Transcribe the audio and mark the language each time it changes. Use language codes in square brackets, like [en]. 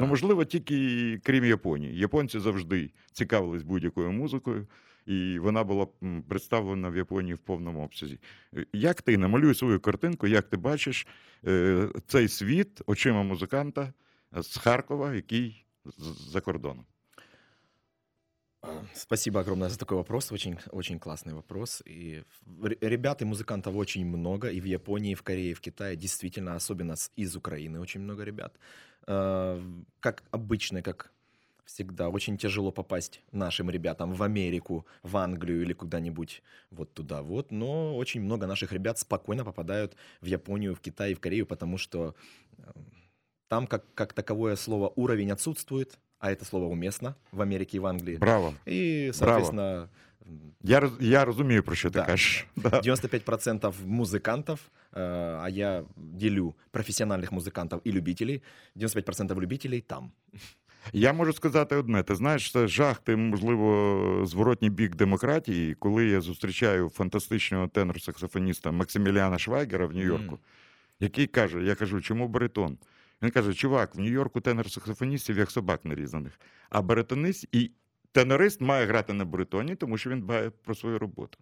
[uk] Ну, можливо, тільки крім Японії. Японці завжди цікавились будь-якою музикою, і вона була представлена в Японії в повному обсязі. Як ти, намалюй свою картинку, як ти бачиш цей світ очима музиканта з Харкова, який за кордоном? [ru] Спасибо огромное за такой вопрос, очень классный вопрос. И ребят и музыкантов очень много, и в Японии, и в Корее, и в Китае, действительно, особенно из Украины очень много ребят. Как обычно, как всегда, очень тяжело попасть нашим ребятам в Америку, в Англию или куда-нибудь вот туда вот, но очень много наших ребят спокойно попадают в Японию, в Китай, и в Корею, потому что там, как таковое слово, уровень отсутствует. А это слово уместно в Америке и в Англии. Браво. И, соответственно... Браво. Я разумею, про что ты кажешь. 95% музыкантов, а я делю профессиональных музыкантов и любителей, 95% любителей там. [uk] Я можу сказати одне, ти знаєш, це жах, ти, можливо, зворотній бік демократії, коли я зустрічаю фантастичного тенор-саксофоніста Максиміліана Швайгера в Нью-Йорку, який каже, я кажу, чому баритон? Він каже, чувак, в Нью-Йорку тенор-саксофоністів як собак нарізаних, а баритонист і тенорист має грати на баритоні, тому що він дбає про свою роботу.